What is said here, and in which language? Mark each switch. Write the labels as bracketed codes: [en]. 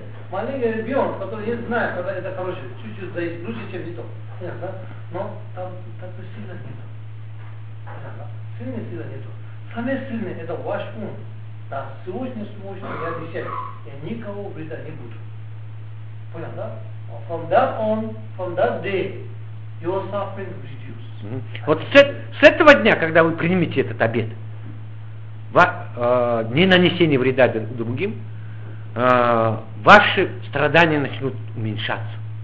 [ru] Маленький ребенок, который не знает, когда это хорошо, чуть-чуть да есть, лучше, чем не то. Понятно, да? Но там такой сильно нету. Сильно нету. Самое сильное это ваш ум. Да, сегодня сможет я решать. Я никого вреда не буду. Понятно, да? [en] From that on, from that day, your suffering reduced. [ru] Вот с этого дня, когда вы примете этот обет, не нанесение вреда другим. Ваши страдания начнут уменьшаться.